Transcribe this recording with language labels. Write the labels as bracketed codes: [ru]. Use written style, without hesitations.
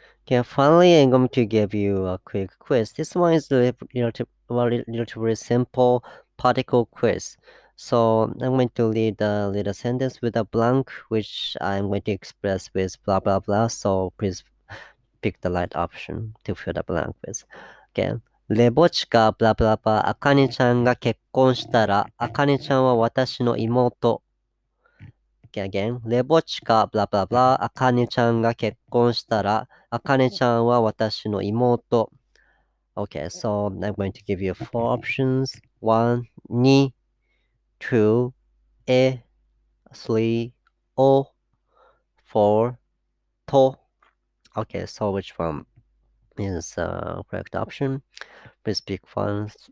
[en] Okay, finally, I'm going to give you a quick quiz. This one is relatively simple particle quiz. So I'm going to read a little sentence with a blank, which I'm going to express with blah blah blah. So please pick the right option to fill the blank with. Okay. [ja] レボチカ、ブラブラブラ、アカネちゃんが結婚したら、アカネちゃんは私の妹。 [en] Again, [ja] レボチカ、ブラブラブラ、アカネちゃんが結婚したら、アカネちゃんは私の妹。 [en] Okay, so I'm going to give you four options. One, 二、two, え、three, お、four, と。 Okay, so which one is correct option? Please pick one.